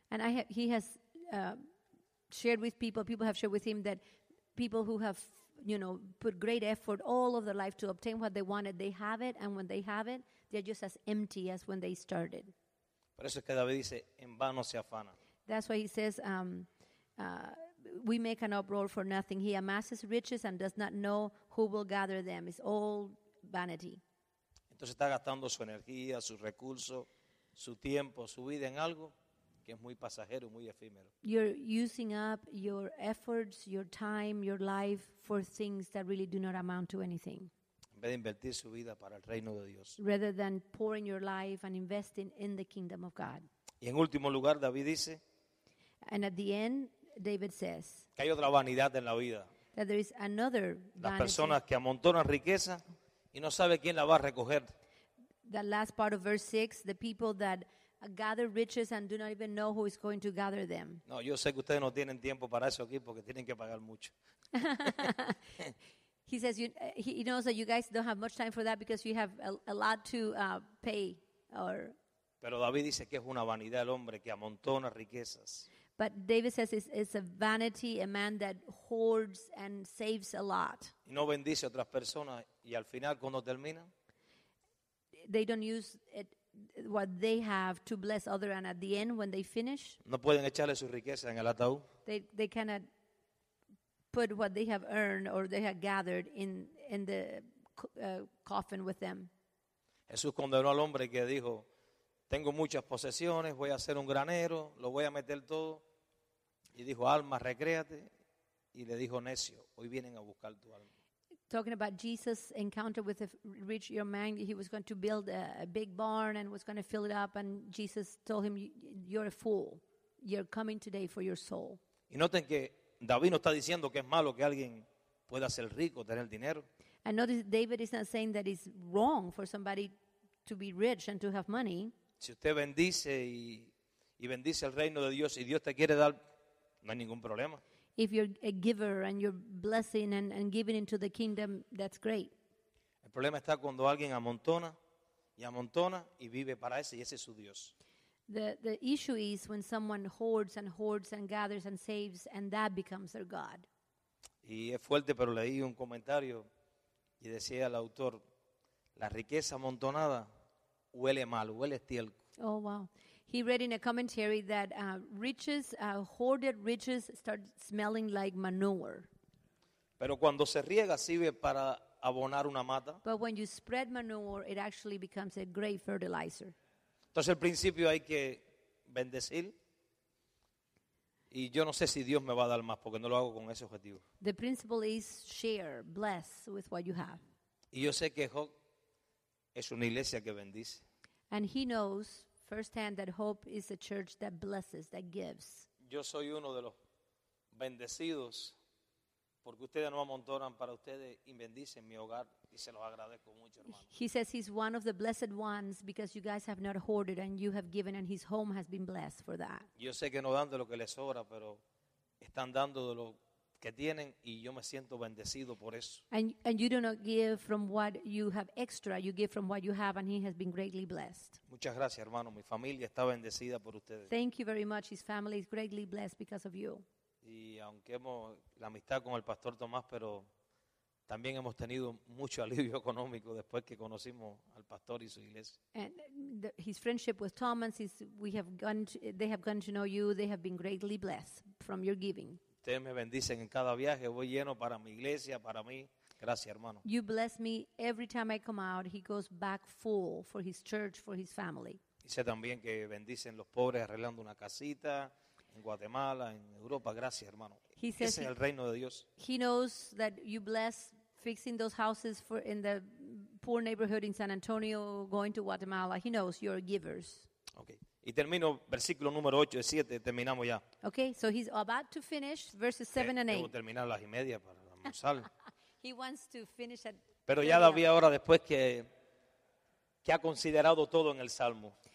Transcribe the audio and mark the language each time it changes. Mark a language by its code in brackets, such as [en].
[en] And he has shared with people have shared with him that people who have you know, put great effort all of their life to obtain what they wanted. They have it, and when they have it, they're just as empty as when they started. [es] Por eso es que David dice, en vano se afana. [en] That's why he says, we make an uproar for nothing. He amasses riches and does not know who will gather them. It's all vanity. [es] Entonces está gastando su energía, sus recursos, su tiempo, su vida en algo que es muy pasajero, muy efímero. [en] You're using up your efforts, your time, your life for things that really do not amount to anything. [es] En vez de invertir su vida para el reino de Dios. [en] Rather than pouring your life and investing in the kingdom of God. [es] Y en último lugar, David dice. [en] And at the end, David says. [es] Que hay otra vanidad en la vida. [en] That there is another vanity. [es] Las personas que amontonan riqueza y no sabe quién la va a recoger. [en] The last part of verse 6, the people that gather riches and do not even know who is going to gather them. [es] No, yo sé que ustedes no tienen tiempo para eso aquí porque tienen que pagar mucho. [en] He says, he knows that you guys don't have much time for that because you have a lot to pay. [es] Pero David dice que es una vanidad el hombre que amontona riquezas. [en] But David says it's a vanity, a man that hoards and saves a lot. [es] Y no bendice a otras personas y al final cuando termina. [en] They don't use it, what they have to bless others, and at the end when they finish. [es] No pueden echarle su riqueza en el ataúd. [en] They cannot put what they have earned or they have gathered in the coffin with them. [es] Jesús condenó al hombre que dijo, tengo muchas posesiones, voy a ser un granero, lo voy a meter todo. Y dijo, alma, recréate. Y le dijo, necio, hoy vienen a buscar tu alma. [en] Talking about Jesus' encounter with a rich young man, he was going to build a big barn and was going to fill it up, and Jesus told him, you're a fool. You're coming today for your soul. [es] Y noten que David no está diciendo que es malo que alguien pueda ser rico, tener dinero. [en] And notice David is not saying that it's wrong for somebody to be rich and to have money. [es] Si usted bendice y bendice el reino de Dios y Dios te quiere dar, no hay ningún problema. [en] If you're a giver and you're blessing and giving into the kingdom, that's great. [es] El problema está cuando alguien amontona y vive para ese y ese es su Dios. [en] The issue is when someone hoards and hoards and gathers and saves and that becomes their God. [es] Y es fuerte, pero leí un comentario y decía el autor, la riqueza amontonada huele mal, huele estiércol. [en] Oh, wow. He read in a commentary that riches, hoarded riches, start smelling like manure. [es] Pero cuando se riega, sirve para abonar una mata. [en] But when you spread manure, it actually becomes a great fertilizer. [es] Entonces, al principio hay que bendecir. Y yo no sé si Dios me va a dar más, porque no lo hago con ese objetivo. [en] The principle is share, bless with what you have. [es] Y yo sé que Hope es una iglesia que bendice. [en] And he knows firsthand that Hope is a church that blesses, that gives. [es] Yo soy uno de los bendecidos porque ustedes no amontonan para ustedes y bendicen mi hogar y se los agradezco mucho, hermano. [en] He says he's one of the blessed ones because you guys have not hoarded and you have given and his home has been blessed for that. [es] Yo sé que no dan de lo que les sobra, pero están dando de lo que tienen y yo me siento bendecido por eso. [en] And you do not give from what you have extra, you give from what you have and he has been greatly blessed. [es] Muchas gracias, hermano. Mi familia está bendecida por ustedes. [en] Thank you very much. His family is greatly blessed because of you. [es] Y aunque hemos la amistad con el pastor Tomás, pero también hemos tenido mucho alivio económico después que conocimos al pastor y su iglesia. [en] And his friendship with Thomas is they have gotten to know you. They have been greatly blessed from your giving. [es] Ustedes me bendicen en cada viaje, voy lleno para mi iglesia, para mí. Gracias, hermano. [en] You bless me every time I come out, he goes back full for his church, for his family. [es] Y sé también que bendicen los pobres arreglando una casita en Guatemala, en Europa. Gracias, hermano. Ese es el reino de Dios. [en] He knows that you bless fixing those houses for in the poor neighborhood in San Antonio, going to Guatemala. He knows you're givers. Okay. [es] Y termino versículo número 8 y 7, terminamos ya. [en] Okay, so he's about to finish verses 7 and 8. [es] Debo terminar las y media para almorzar. [en] He wants to finish at. [es] Pero ya David ahora después que ha considerado todo en el Salmo.